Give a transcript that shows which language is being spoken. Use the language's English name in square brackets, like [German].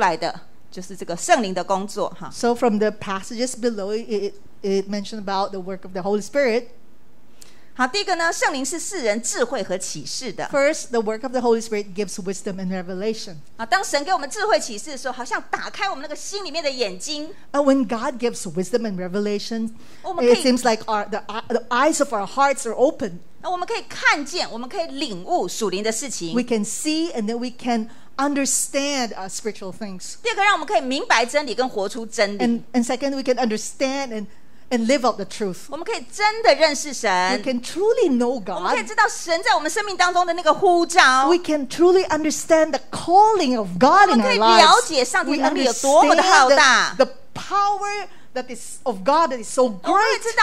[Chinese] 那我们先来了解一下，从以下的经文我们没有一节一节去读哈，这个都从以下的经文啊所提出来的，就是这个圣灵的工作哈。 [English] So from the passages below, it mentioned about the work of the Holy Spirit. [Chinese] 好，第一个呢，圣灵是世人智慧和启示的。 [English] First, the work of the Holy Spirit gives wisdom and revelation. [Chinese] 啊，当神给我们智慧启示的时候，好像打开我们那个心里面的眼睛。 [English] When God gives wisdom and revelation, it seems like the eyes of our hearts are open. [Chinese] 我们可以看见，我们可以领悟属灵的事情。 [English] We can see and then we can understand spiritual things. [Chinese] 第二个，让我们可以明白真理跟活出真理。 [English] And second, we can understand and live out the truth. [Chinese] 我们可以真的认识神。 [English] We can truly know God. [Chinese] 我们可以知道神在我们生命当中的那个呼召。 [English] We can truly understand the calling of God in our lives. [Chinese] 我们可以了解上帝能力有多么的浩大。 [English] The power that is of God that is so great.